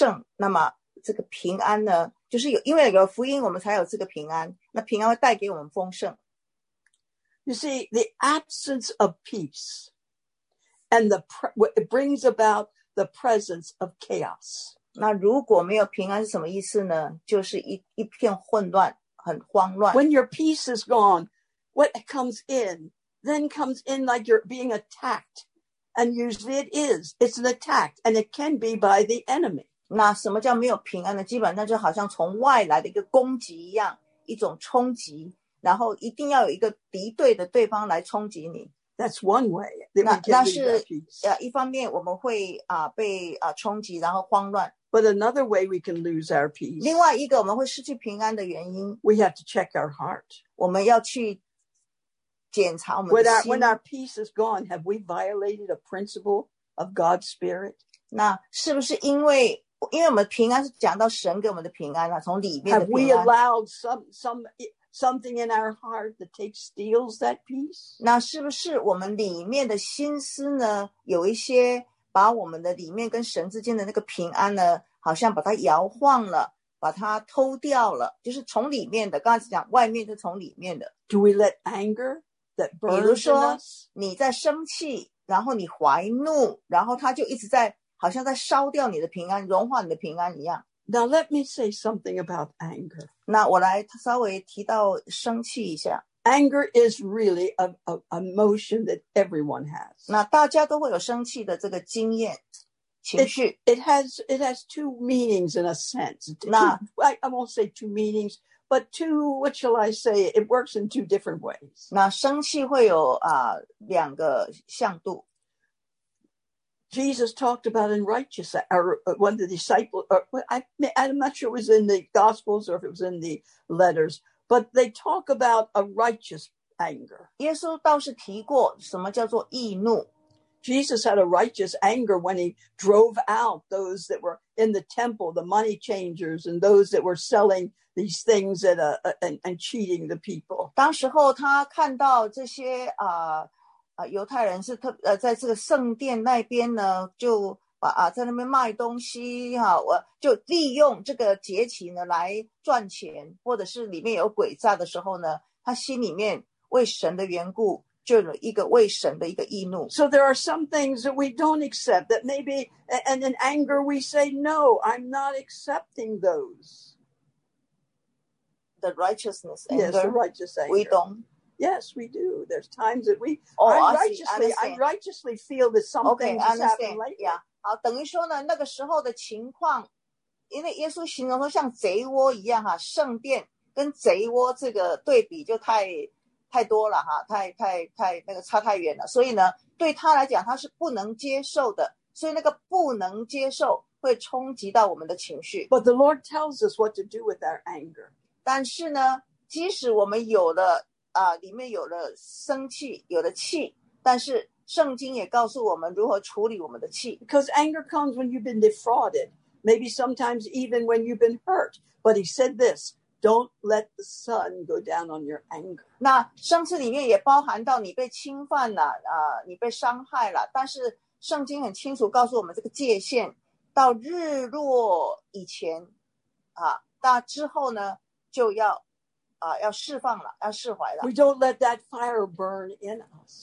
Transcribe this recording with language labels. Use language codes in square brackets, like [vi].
[zh] 有了福音,有了这种丰盛,那么这个平安呢?就是因为有福音,我们才有这个平安。那平安会带给我们丰盛。 [en] You see, the absence of peace and it brings about the presence of chaos. [zh] 那如果没有平安是什么意思呢? 就是一片混乱,很慌乱。 [en] When your peace is gone, what comes in. Then comes in like you're being attacked. And usually it is. It's an attack. And it can be by the enemy. [zh] 那什么叫没有平安呢？基本上就好像从外来的一个攻击一样，一种冲击，然后一定要有一个敌对的对方来冲击你。 [en] That's one way that we can lose our peace. [zh] 一方面我们会被冲击，然后慌乱。 [en] But another way we can lose our peace. [zh] 另外一个我们会失去平安的原因。 [en] We have to check our heart. [zh] 我们要去检查我们的心。 [en] When our peace is gone, have we violated a principle of God's Spirit? [zh] 那是不是因为我们平安是讲到神给我们的平安啊，从里面的平安。 [en] Have we allowed something in our heart that steals that peace? [zh] 那是不是我们里面的心思呢，有一些把我们的里面跟神之间的那个平安呢，好像把它摇晃了，把它偷掉了，就是从里面的。刚才讲外面是从里面的。 [en] Do we let anger that burns us? [zh] 比如说你在生气，然后你怀怒，然后他就一直在。好像在烧掉你的平安，融化你的平安一样。 [en] Now let me say something about anger. [zh] 那我来稍微提到生气一下。 [en] Anger is really a emotion that everyone has. [zh] 那大家都会有生气的这个经验情绪。 [en] It has two meanings in a sense. I won't say two meanings, but two, what shall I say? It works in two different ways. [zh] 那生气会有两个向度。 [en] Jesus talked about in righteous, or when the disciples, or I'm not sure it was in the Gospels or if it was in the letters, but they talk about a righteous anger. [zh] 耶稣倒是提过什么叫做义怒。 [en] Jesus had a righteous anger when he drove out those that were in the temple, the money changers, and those that were selling these things and cheating the people. [zh] 当时候他看到这些犹太人是在这个圣殿那边呢，就在那边卖东西哈，我就利用这个节期呢来赚钱，或者是里面有诡诈的时候呢，他心里面为神的缘故就有一个为神的一个义怒。 [en] So there are some things that we don't accept that maybe, and in anger we say, no, I'm not accepting those. The righteousness anger. Yes, the righteous anger. We don't. Yes, we do. There's times that I righteously feel that something okay, has happened lately. Yeah. [zh] 好，等于说呢，那个时候的情况，因为耶稣形容说像贼窝一样哈，圣殿跟贼窝这个对比就太多了哈，太那个差太远了。所以呢，对他来讲，他是不能接受的。所以那个不能接受会冲击到我们的情绪。 [en] But the Lord tells us what to do with our anger. [zh] 但是呢，即使我们有了里面有了生气，有了气，但是圣经也告诉我们如何处理我们的气。 [en] Because anger comes when you've been defrauded, maybe sometimes even when you've been hurt. But he said this: don't let the sun go down on your anger. [zh] 那生气里面也包含到你被侵犯了，你被伤害了。但是圣经很清楚告诉我们这个界限，到日落以前，那之后呢，就要。要释放了，要释怀了。 [en] We don't let that fire burn in us.